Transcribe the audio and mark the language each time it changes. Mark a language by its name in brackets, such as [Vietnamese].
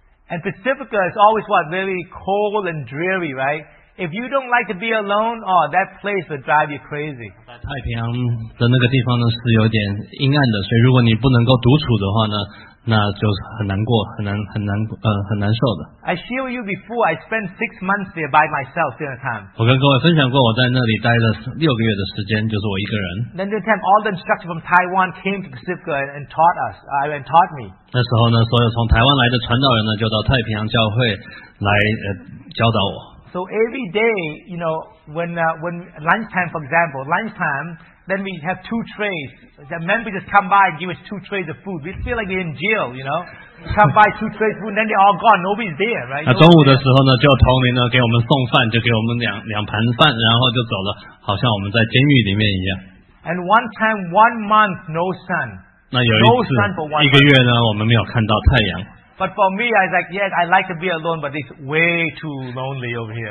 [English] And Pacifica is always very cold and dreary, right? If you don't like to be alone, that place would drive you crazy. [Chinese] 太平洋的那个地方呢, 是有点阴暗的, 所以如果你不能够独处的话呢, 那就很难过, 很难受的。 [English] I share with you before, I spent 6 months there by myself during the time. [Chinese] 我跟各位分享过, 我在那里待了6个月的时间, 就是我一个人。 [English] Then during the time, all the instructors from Taiwan came to Pacifica and taught us, and taught me. [Chinese] 那时候呢, 所有从台湾来的传道人呢, 就到太平洋教会来, 教导我。 [English] So every day, you know, when lunchtime, for example, then we have 2 trays. The members just come by and give us 2 trays of food. We feel like we're in jail, you know. Come by 2 trays of food, and then they're all gone. Nobody's there, right? [Chinese] 那中午的时候呢, 就同龄呢, 给我们送饭, 就给我们两盘饭, 然后就走了, 好像我们在监狱里面一样。 [English] And one time, 1 month, no sun. [Chinese] 那有一次, [English] no sun for 1 month. [Chinese] 一个月呢, 我们没有看到太阳。 [English] But for me, I was like, yes, I like to be alone, but it's way too lonely over here.